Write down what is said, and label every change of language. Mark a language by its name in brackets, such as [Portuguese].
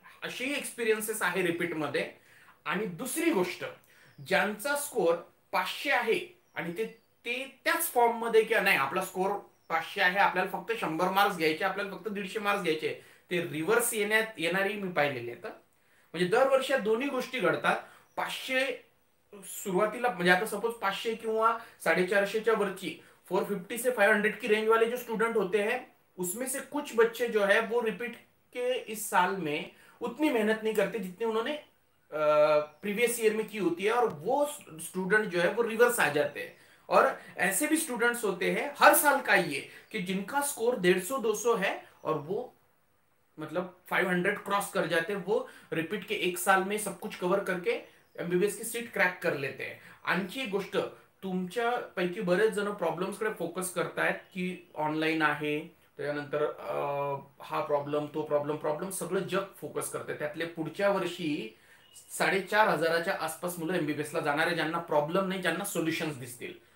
[Marathi] अशीही एक्सपिरियन्सेस आहे रिपीट मध्ये। आणि दुसरी गोष्ट, ज्यांचा स्कोर 500 आहे आणि ते त्याच फॉर्म मध्ये, किंवा नाही आपला स्कोर 500 आहे, आपल्याला फक्त 100 मार्क्स घ्यायचे, आपल्याला फक्त 150 मार्क्स घ्यायचे, ते रिव्हर्स येणारी मी पाहिलेले आहेत। म्हणजे दरवर्षी दोन्ही गोष्टी घडतात। 500 सुरुवातीला, म्हणजे आता सपोज 500 किंवा 450 च्या वरची, [Hindi] 450 से 500 की रेंज वाले जो स्टूडेंट होते हैं उसमें से कुछ बच्चे जो है वो रिपीट के इस साल में उतनी मेहनत नहीं करते जितनी उन्होंने प्रीवियस ईयर में की होती है, और वो स्टूडेंट जो है वो रिवर्स आ जाते हैं। और ऐसे भी स्टूडेंट्स होते हैं हर साल का ये, कि जिनका स्कोर 150 200 है और वो मतलब 500 क्रॉस कर जाते हैं, वो रिपीट के एक साल में सब कुछ कवर करके एमबीबीएस की सीट क्रैक कर लेते हैं। [Marathi] आणखी एक गोष्ट, तुमच्या पैकी बरेच जण प्रॉब्लम्स कडे फोकस करतायत की ऑनलाइन आहे, त्याच्यानंतर हा प्रॉब्लम तो प्रॉब्लम, प्रॉब्लम सगळं जग फोकस करते। त्यातले पुढच्या वर्षी 4,500 च्या आसपास मुलं एमबीबीएसला जाणार आहे ज्यांना प्रॉब्लम नाही, ज्यांना सोल्युशन्स दिसतील।